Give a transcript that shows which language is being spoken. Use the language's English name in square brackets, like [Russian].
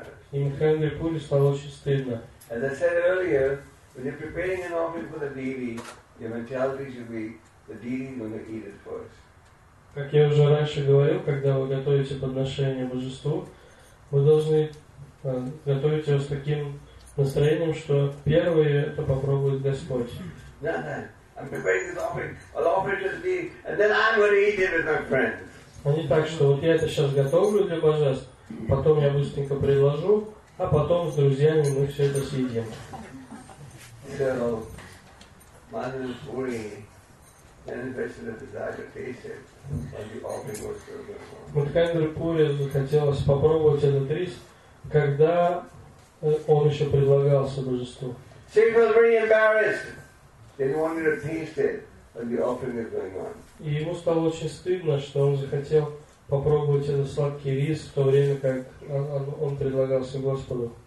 [Russian] И Мадхендра Пури стало очень стыдно. [English] As I said earlier, when you're preparing an offering for the deity, your mentality should be the deity is going to eat it first. [Russian] Как я уже раньше говорил, когда вы готовите подношение божеству, вы должны готовить его с таким настроением, что первое это попробует Господь. [English] I'm preparing this offering. I'll offer it to the deity, and then I'm going to eat it with my friends. [Russian] Они так, что вот я это сейчас готовлю для божеств, потом я быстренько предложу, а потом с друзьями мы все это съедим. [English] So, Madhavan Puri manifested a desire to taste it, and the offering was served. [Russian] Мадхендра Пури захотелось попробовать этот рис, когда он еще предлагался божеству. [English] She was very embarrassed. They wanted to taste it, and the offering was going on. [Russian] И ему стало очень стыдно, что он захотел попробовать этот сладкий рис в то время, как он предлагался Господу.